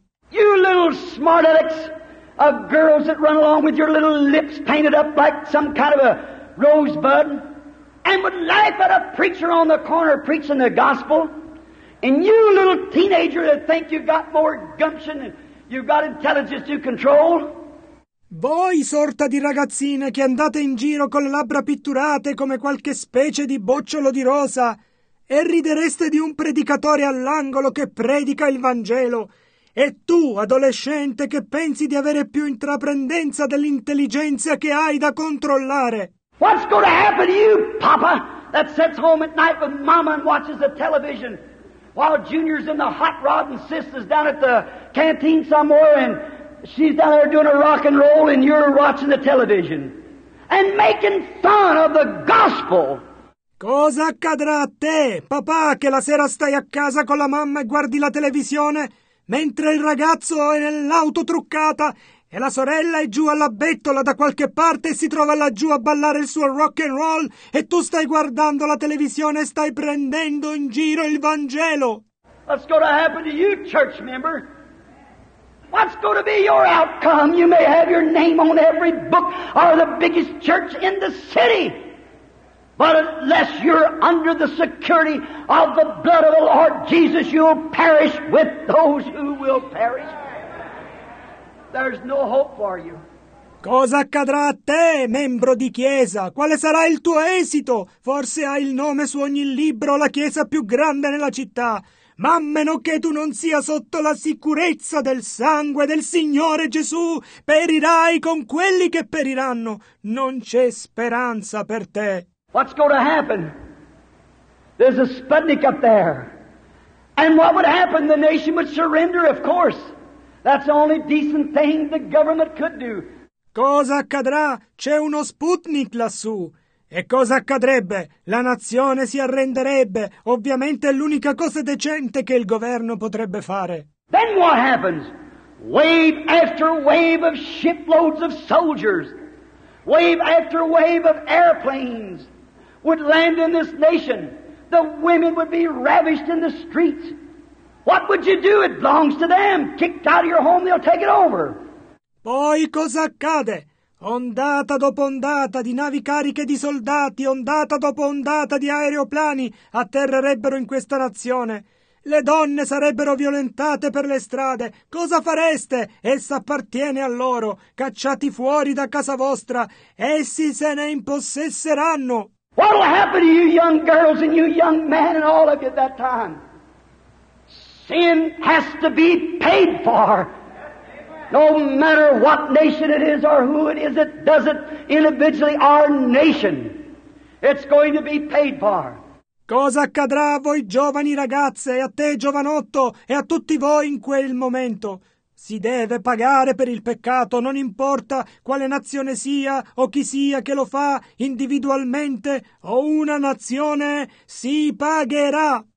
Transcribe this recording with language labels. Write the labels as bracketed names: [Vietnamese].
[English] You little smart alecks of girls that run along with your little lips painted up like some kind of a rosebud and would laugh at a preacher on the corner preaching the gospel. And you little teenager that think you've got more gumption and you've got intelligence to control. [Italian] Voi sorta di ragazzine che andate in giro con le labbra pitturate come qualche specie di bocciolo di rosa e ridereste di un predicatore all'angolo che predica il Vangelo. E tu, adolescente, che pensi di avere più intraprendenza dell'intelligenza che hai da controllare. [English] What's going to happen to you, Papa, that sits home at night with Mama and watches the television while Junior's in the hot rod and Sister's down at the canteen somewhere and she's down there doing a rock and roll and you're watching the television and making fun of the gospel. [Italian] Cosa accadrà a te, papà, che la sera stai a casa con la mamma e guardi la televisione mentre il ragazzo è nell'auto truccata e la sorella è giù alla bettola da qualche parte e si trova laggiù a ballare il suo rock and roll e tu stai guardando la televisione e stai prendendo in giro il Vangelo? [English] What's going to happen to you, church member? What's going to be your outcome? You may have your name on every book or the biggest church in the city. But unless you're under the security of the blood of the Lord Jesus, you'll perish with those who will perish. There's no hope for you. [Italian] Cosa accadrà a te, membro di chiesa? Quale sarà il tuo esito? Forse hai il nome su ogni libro, la chiesa più grande nella città. ma a meno che tu non sia sotto la sicurezza del sangue del Signore Gesù, perirai con quelli che periranno. Non c'è speranza per te. [English] What's going to happen? There's a Sputnik up there. And what would happen? The nation would surrender, of course. That's the only decent thing the government could do. [Italian] Cosa accadrà? C'è uno Sputnik lassù. E cosa accadrebbe? La nazione si arrenderebbe. Ovviamente è l'unica cosa decente che il governo potrebbe fare. [English] Then what happens? Wave after wave of shiploads of soldiers, wave after wave of airplanes would land in this nation. The women would be ravished in the streets. What would you do? It belongs to them. Kicked out of your home, they'll take it over. [Italian] Poi cosa accade? Ondata dopo ondata di navi cariche di soldati, ondata dopo ondata di aeroplani atterrerebbero in questa nazione. Le donne sarebbero violentate per le strade. Cosa fareste? Essa appartiene a loro. Cacciati fuori da casa vostra, essi se ne impossesseranno. [English] What will happen to you young girls and you young men and all of you at that time? Sin has to be paid for. No matter what nation it is or who it is, it does it individually, our nation. It's going to be paid for. [Italian] Cosa accadrà a voi giovani ragazze, e a te giovanotto, e a tutti voi in quel momento? Si deve pagare per il peccato, non importa quale nazione sia o chi sia che lo fa individualmente o una nazione, si pagherà.